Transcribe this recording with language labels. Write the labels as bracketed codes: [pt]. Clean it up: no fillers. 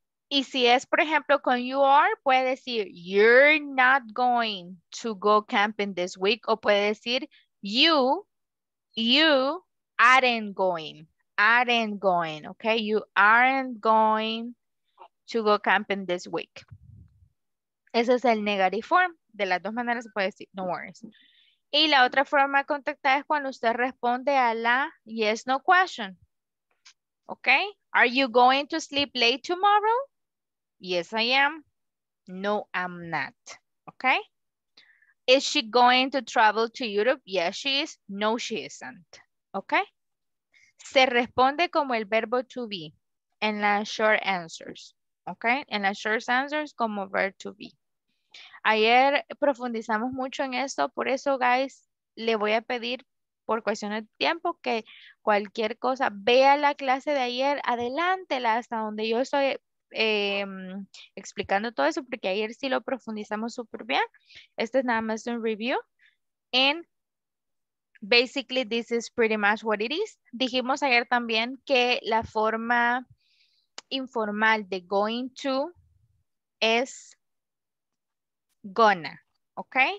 [es] Y si es, por ejemplo, con [en] you are, [es] puede decir, [en] you're not going to go camping this week. [es] O puede decir, [en] you aren't going. Okay, you aren't going to go camping this week. [es] Ese es el negative form. De las dos maneras se puede decir, [en] no worries. [es] Y la otra forma de contactar es cuando usted responde a la yes, no question. [en] Okay, are you going to sleep late tomorrow? Yes, I am. No, I'm not. Okay. Is she going to travel to Europe? Yes, she is. No, she isn't. Okay. [es] Se responde como el verbo to be en las short answers. Okay. En las short answers como verb to be. Ayer profundizamos mucho en esto. Por eso, guys, le voy a pedir por cuestión de tiempo que cualquier cosa, vea la clase de ayer, adelántela hasta donde yo estoy explicando todo eso, porque ayer sí lo profundizamos súper bien. Este es nada más un review. [en] And basically, this is pretty much what it is. [es] Dijimos ayer también que la forma informal de going to es gonna, ¿ok?